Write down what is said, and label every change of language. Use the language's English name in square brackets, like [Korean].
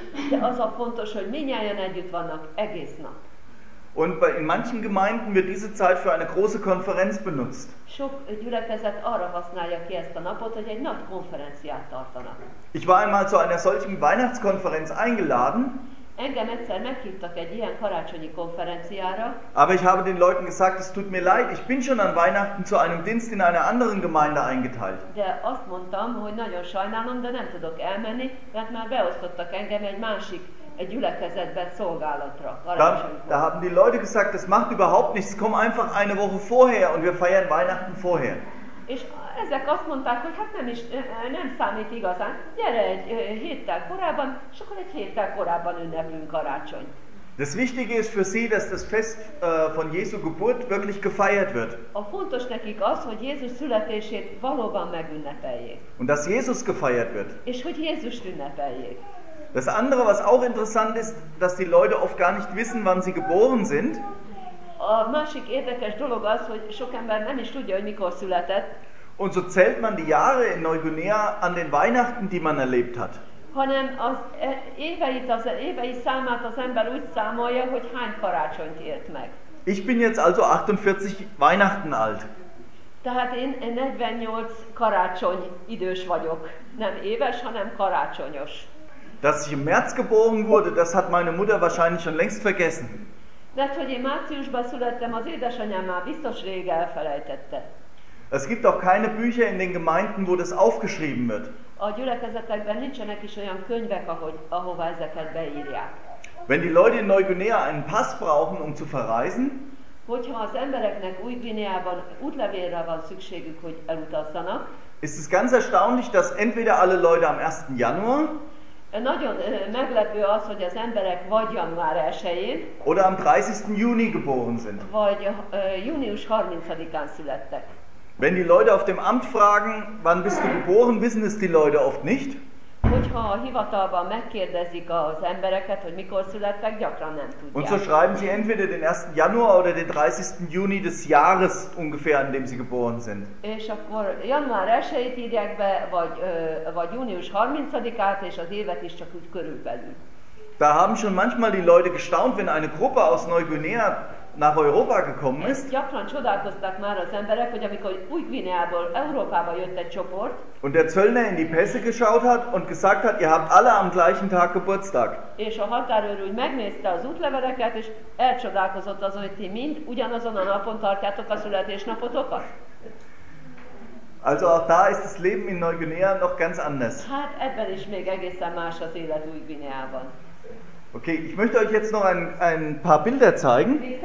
[Hungarian] De az a fontos, hogy mindnyájan együtt vannak egész nap. [German] Und in manchen Gemeinden wird diese Zeit für eine große Konferenz benutzt. [Hungarian] Sok gyülekezet arra használja ki ezt a napot, hogy egy nagy konferenciát tartanak. [German] Ich war einmal zu einer solchen Weihnachtskonferenz eingeladen. [Hungarian] Engem egyszer meghívtak egy ilyen karácsonyi konferenciára. [German] Aber ich habe den Leuten gesagt, es tut mir leid, ich bin schon an Weihnachten zu einem Dienst in einer anderen Gemeinde eingeteilt. [Hungarian] De azt mondtam, hogy nagyon sajnálom, de nem tudok elmenni, mert már beosztottak engem egy másik egy gyülekezetben szolgálatra. [German] Da haben die Leute gesagt, das macht überhaupt nichts, komm einfach eine Woche vorher und wir feiern Weihnachten vorher. [Hungarian] És ezek azt mondták, hogy hát nem is, nem számít igazán, gyere egy héttel korábban, és akkor egy héttel korábban ünneplünk karácsonyt. [German] Das Wichtige ist für sie, dass das Fest von Jesu Geburt wirklich gefeiert wird. [Hungarian] A fontos nekik az, hogy Jézus születését valóban megünnepeljék. [German] Und dass Jesus gefeiert wird. [Hungarian] És hogy Jézus ünnepeljék. [German] Das andere, was auch interessant ist, dass die Leute oft gar nicht wissen, wann sie geboren sind. [Hungarian] A másik érdekes dolog az, hogy sok ember nem is tudja, hogy mikor született. [German] Und so zählt man die Jahre in Neuguinea an den Weihnachten, die man erlebt hat. [Hungarian] Hanem az évei számát az ember úgy számolja, hogy hány karácsonyt élt meg. [German] Ich bin jetzt also 48 Weihnachten alt. [Hungarian] Tehát én 48 karácsony idős vagyok. Nem éves, hanem karácsonyos. [German] Dass ich im März geboren wurde, das hat meine Mutter wahrscheinlich schon längst vergessen. [Hungarian] Mert hogy én márciusban születtem, az édesanyám már biztos rég elfelejtette. [German] Es gibt auch keine Bücher in den Gemeinden, wo das aufgeschrieben wird. [Hungarian] A gyülekezetekben nincsenek is olyan könyvek, ahova ezeket beírják. [German] Wenn die Leute in Neuguinea einen Pass brauchen, um zu verreisen, [Hungarian] hogyha az embereknek Új-Guineában útlevélre van szükségük, hogy elutazzanak, [German] ist es ganz erstaunlich, dass entweder alle Leute am 1. Januar [Hungarian] nagyon meglepő az, hogy az emberek vagy január 1-én, [German] oder am 30. Juni geboren sind. [Hungarian] Vagy június 30-án születtek. [German] Wenn die Leute auf dem Amt fragen, wann bist du geboren, wissen es die Leute oft nicht. [Hungarian] Hogyha a hivatalban megkérdezik az embereket, hogy mikor születtek, gyakran nem tudják. [German] Und so schreiben sie entweder den 1. Januar oder den 30. Juni des Jahres ungefähr, an dem sie geboren sind. [Hungarian] És akkor január 1-ét írják be, vagy június 30-át, és az évet is csak úgy körülbelül. [German] Da haben schon manchmal die Leute gestaunt, wenn eine Gruppe aus Neuguinea nach Europa gekommen ist. [Hungarian] Gyakran csodálkoztak már az emberek, hogy amikor Új-Guineából Európába jött egy csoport. [German] Und der Zöllner in die Pässe geschaut hat und gesagt hat, ihr habt alle am gleichen Tag Geburtstag. [Hungarian] És a határőr úgy megnézte az útleveleket, és elcsodálkozott az, hogy ti mind ugyanazon a napon tartjátok a születésnapotokat. [German] Also auch da ist das Leben in Neuguinea noch ganz anders. [Hungarian] Hát ebben is még egészen más az élet Új-Guineában. [German] Okay, ich möchte euch jetzt noch ein paar Bilder zeigen.